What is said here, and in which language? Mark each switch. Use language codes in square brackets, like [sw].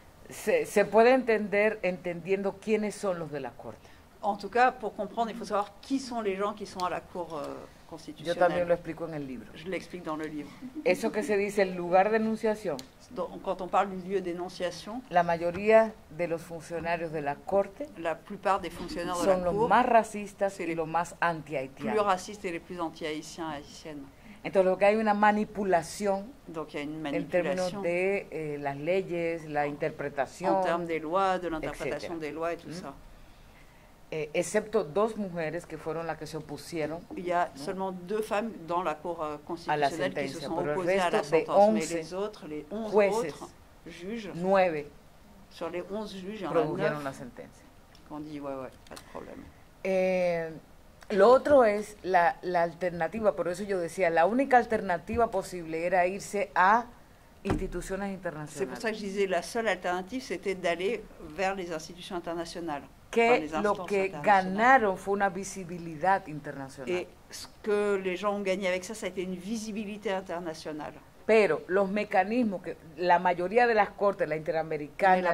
[es] Se puede entender entendiendo quiénes son los de la Corte. [fr] En tout cas, pour comprendre, il faut savoir qui sont les gens qui sont à la Cour constitutionnelle. [es] Yo también lo explico en el libro. [fr] Je l'explique dans le livre. [es] Eso que se dice el lugar de enunciación. [fr] Quand on parle du lieu d'énonciation. [es] La mayoría de los funcionarios de la Corte. [fr] La plupart des fonctionnaires son de la Cour. [es] Son los más racistas y los más anti-haïtiens. [fr] Plus racistes et les plus anti-haïtiens et haïtiennes. [es] Entonces, lo que hay una manipulación. [fr] Donc, il y a une manipulation. [es] En términos de las leyes, la interpretación. [fr] En termes des lois, de l'interprétation des lois et tout ça. [es] Excepto 2 mujeres que fueron las que se opusieron. [fr] Il y a seulement 2 femmes dans la Cour constitutionnelle qui se sont opposées à la sentence. Mais les autres, les 11 autres juges. 9. Sur les 11 juges, [es] produjeron la sentencia. [fr] On dit, ouais, pas de problème. [es] Lo otro es la alternativa, por eso yo decía, la única alternativa posible era irse a instituciones internacionales. [fr] C'est pour ça que je disais, la seule alternative, c'était d'aller vers les institutions internationales. [es] Que lo que ganaron fue una visibilidad internacional. [fr] Et ce que les gens ont gagné avec ça, ça a été une visibilité internationale. [es] Pero los mecanismos que la mayoría de las cortes, la interamericana,